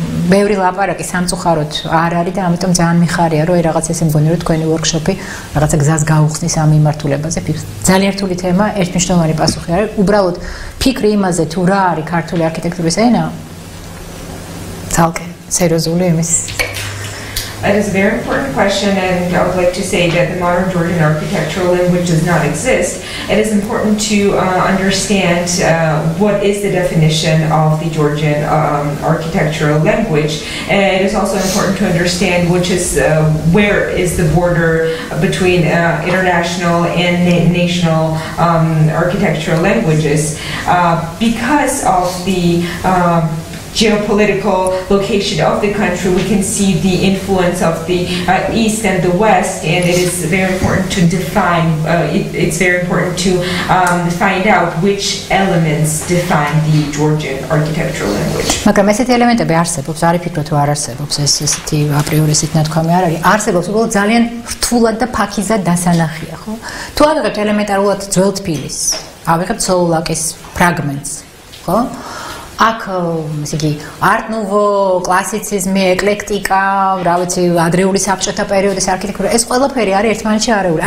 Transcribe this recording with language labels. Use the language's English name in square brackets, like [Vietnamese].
[Georgian] ბევრი ლაპარაკი სამწუხაროდ არ არის და ამიტომ ძალიან მიხარია რომ რაღაც ესე მგონი რომ თქვენი ვორკშოპი რაღაცა გზას გაუხსნის ამ მიმართულებაზე. ძალიან რთული თემა, ერთმნიშვნელოვანი პასუხი არის. უბრალოდ ფიქრი იმაზე თუ რა არის ქართული არქიტექტურის ენა. ძალიან სერიოზული იმის. [English] It is a very important question, and I would like to say that the modern Georgian architectural language does not exist. It is important to understand what is the definition of the Georgian architectural language, and it is also important to understand which is where is the border between international and national architectural languages because of the geopolitical location of the country, we can see the influence of the East and the West, and it is very important to define, it's very important to find out which elements define the Georgian architectural language. [Georgian] მაგრამ ესეთი ელემენტები არსებობს, არ ფიქრობ თუ არ არსებობს, ესეთი აპრიორი ისეთი ნათქვამი არ არის, არსებობს უბრალოდ ძალიან რთულად და ფაქიზად დასანახია, ხო? თუ აღიღებთ ელემენტარულად ძველ თბილისს, აღიღებთ სოლოლაკის ფრაგმენტს, ხო? აქ ესე იგი არტ ნუვო, კლასიციზმი, ეკლექტიკა, რა ვიცი, ადრეული საბჭოთა პერიოდის არქიტექტურა, ეს ყველაფერი არის ერთმანეთში არეული.